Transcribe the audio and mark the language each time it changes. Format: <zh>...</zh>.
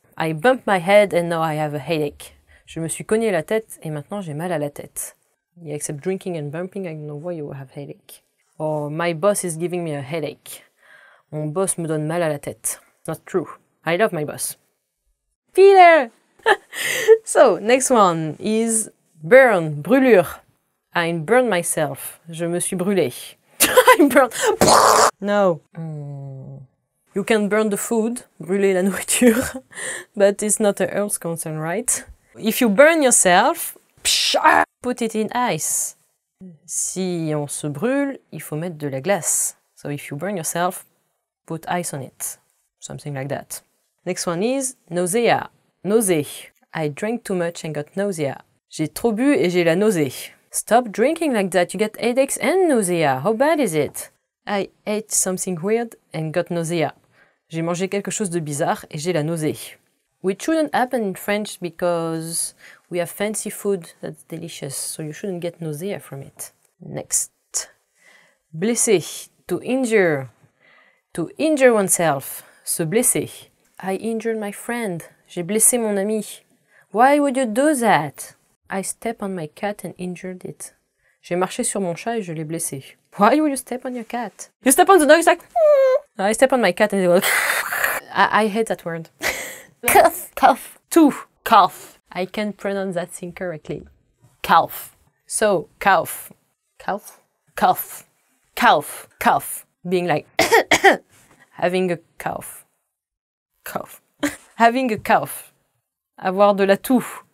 <en>I bumped my head and now I have a headache.</en> <fr>Je me suis cogné la tête et maintenant j'ai mal à la tête.</fr> <en>Yeah, except drinking and bumping, I don't know why you have headache. Or my boss is giving me a headache.</en> <fr>Mon boss me donne mal à la tête.</fr> <en>Not true. I love my boss. Peter! So, next one is burn, brûlure. I burned myself.</en> <fr>Je me suis brûlé.</fr> <en>I burned. No. You can burn the food,</en> <fr>brûler la nourriture,</fr> <en>but it's not a health concern, right? If you burn yourself, put it in ice.</en> <fr>Si on se brûle, il faut mettre de la glace.</fr> <en>So if you burn yourself, put ice on it. Something like that. Next one is nausea. Nausea. I drank too much and got nausea.</en> <fr>J'ai trop bu et j'ai la nausée.</fr> <en>Stop drinking like that. You get headaches and nausea. How bad is it? I ate something weird and got nausea.</en> <fr>J'ai mangé quelque chose de bizarre et j'ai la nausée.</fr> <en>Which shouldn't happen in French because we have fancy food that's delicious, so you shouldn't get nausea from it. Next. Blessé. To injure. To injure oneself. Se blesser. I injured my friend.</en> <fr>J'ai blessé mon ami.</fr> <en>Why would you do that? I step on my cat and injured it.</en> <fr>J'ai marché sur mon chat et je l'ai blessé.</fr> <en>Why would you step on your cat? You step on the dog, it's like... Mm. I step on my cat and it goes... I hate that word. Cough. Cough. Two. Cough. I can't pronounce that thing correctly. Cough. So, cough. Cough? Cough. Cough. Cough. Being like... Having a cough. Cough. Having a cough.</en> <fr>Avoir de la toux.</fr>